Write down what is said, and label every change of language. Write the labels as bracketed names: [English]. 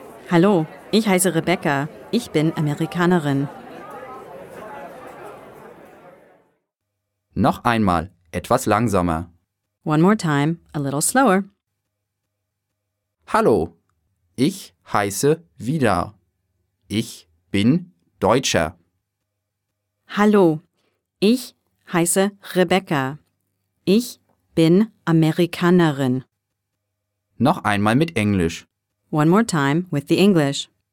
[German] Hallo, ich heiße Rebecca. Ich bin Amerikanerin. Noch einmal, etwas langsamer. [English] One more time, a little slower. [German] Hallo, ich heiße Vidar. Ich bin Deutscher. Hallo, ich heiße Rebecca. Ich bin Amerikanerin. Noch einmal mit Englisch. [English] One more time with the English.